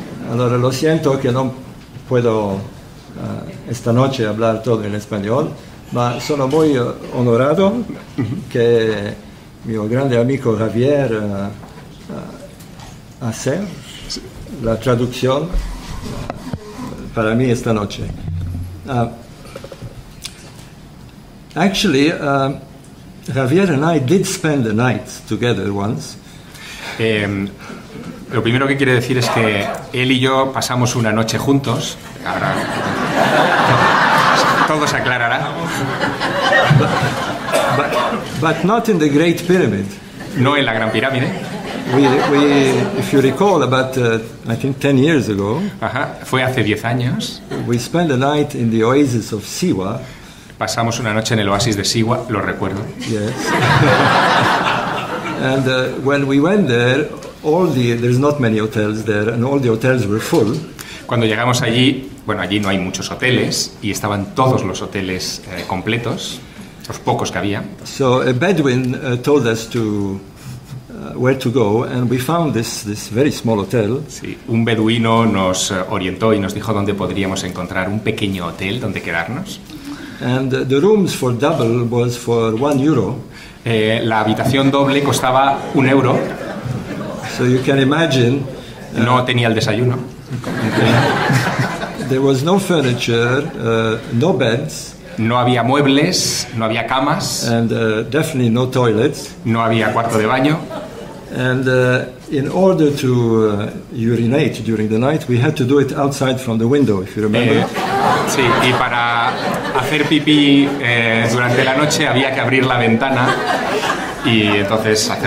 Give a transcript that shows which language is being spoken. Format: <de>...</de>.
<es>Ahora lo siento que no puedo esta noche hablar todo en español,</es> <it>ma sono</it> <es>muy honorado que mi grande amigo Javier hace la traducción para mí esta noche.</es> <en>Javier and I did spend the night together once.</en> <es>Lo primero que quiere decir es que él y yo pasamos una noche juntos. Ahora todo se aclarará.</es> <en>But not in the Great Pyramid.</en> <es>No en la Gran Pirámide.</es> <en>We, if you recall, about I think 10 years ago.</en> <es>Ajá, fue hace 10 años.</es> <en>We spent the night in the oasis of Siwa.</en> <es>Pasamos una noche en el oasis de Siwa, lo recuerdo.</es> <en>Yes. And when we went there, there's not many hotels there, and all the hotels were full.</en> <es>Cuando llegamos allí, bueno, allí no hay muchos hoteles, y estaban todos los hoteles completos, los pocos que había.</es> <en>So a Bedouin told us to where to go, and we found this very small hotel.</en> <es>Sí, un beduino nos orientó y nos dijo dónde podríamos encontrar un pequeño hotel donde quedarnos.</es> <en>And the rooms for double was for 1 euro.</en> <es>La habitación doble costaba 1 euro.</es> <en>So you can imagine.</en> <es>No tenía el desayuno.</es> <en>There was no furniture, no beds.</en> <es>No había muebles, no había camas.</es> <en>And definitely no toilets.</en> <es>No había cuarto de baño.</es> <en>And in order to urinate during the night, we had to do it outside from the window, if you remember.</en> <es>Sí, y para hacer pipí durante la noche había que abrir la ventana y entonces hacer.</es>